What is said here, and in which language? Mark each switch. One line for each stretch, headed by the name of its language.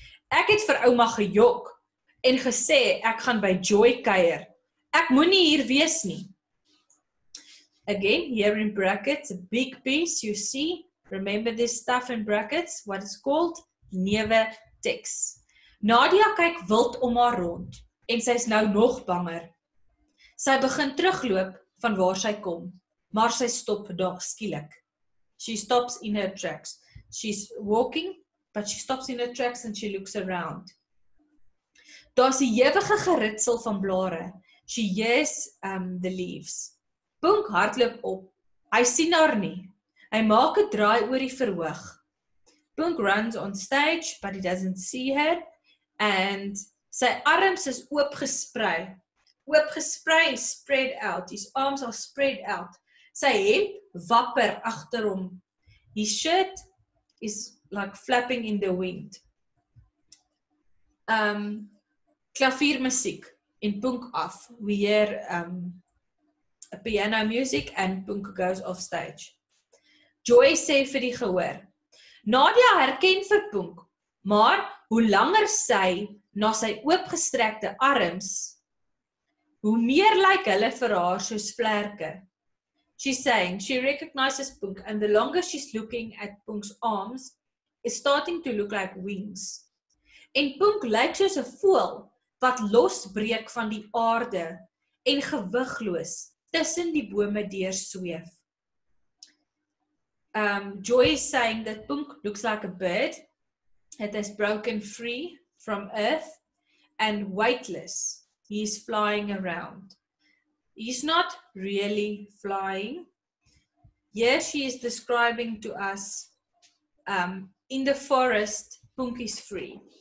Afrikaans: Ek het vir ouma gejok en gesê ek gaan by Joy kuier. Ek moenie hier wees nie.
English: Again, here in brackets, a big piece you see. Remember this stuff in brackets, what is called newe teks.
Afrikaans: Nadia kyk wild om haar rond en sy is nou nog banger. Sy begin terugloop van waar sy kom, maar sy stop daar skielik.
English: She stops in her tracks. She's walking, but she stops in her tracks and she looks around.
Afrikaans: Daar's 'n ewige geritsel van blare.
English: She hears the leaves.
Afrikaans: Bunk hardloop op. Hy sien haar nie. Hy maak 'n draai oor die verhoog.
English: Bunk runs on stage, but he doesn't see her.
Afrikaans: And sy arms is oopgesprei.
English: Oopgesprei, spread out. His arms are spread out.
Afrikaans: Sy hemp wapper agter hom.
English: His shirt is like flapping in the wind.
Afrikaans: Klavier musiek en Bunk af.
English: We hear piano music and Bunk goes off stage.
Afrikaans: Joy sê vir die gehoor. Nadia herken vir Bunk, maar hoe langer sy na sy oopgestrekte arms, hoe meer lyk hulle vir haar soos vlerke.
English: She's saying she recognizes Bunk and the longer she's looking at Bunk's arms, it's starting to look like wings.
Afrikaans: En Bunk lyk soos 'n voël wat losbreek van die aarde en gewigloos tussen die bome deur sweef.
English: Joy is saying that Bunk looks like a bird that has broken free from earth and weightless. He is flying around. He's not really flying. Yes, she is describing to us in the forest, Bunk is free.